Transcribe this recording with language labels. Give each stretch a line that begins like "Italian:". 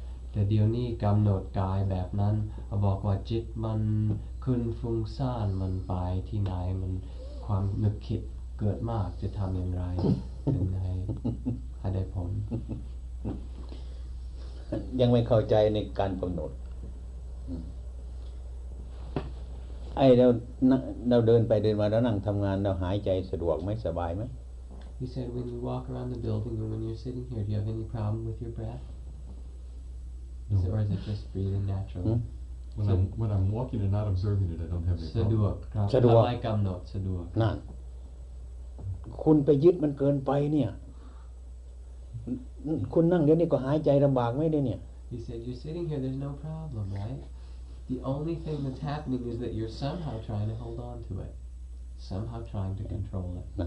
Thai: แต่เดี๋ยวนี้กำหนดกายแบบนั้นบอกว่าจิตมันขึ้นฟุ้งซ่านมันไปที่ไหนมันความนึกคิดเกิดมากจะทำอย่างไรถึงให้ได้ผล ยังไม่เข้าใจในการกำหนดไอ้เราเดินไปเดินมาแล้วนั่งทำงานเราหายใจสะดวกไหมสบายไหม
English: He said when you walk around the building and when you're sitting here, do you have any problem with your breath? No. Or is it just breathing naturally? When I'm walking and not observing it, I don't have any problem.
Thai: สะดวก สะดวก อะไรกำหนดสะดวก นั่นคุณไปยึดมันเกินไปเนี่ยคุณนั่งเดี๋ยวนี้ก็หายใจลำบากไหมเดี๋ยวนี้
English: He said you're sitting here, there's no problem, right? The only thing that's happening is that you're somehow trying to hold on to it, somehow trying to control it.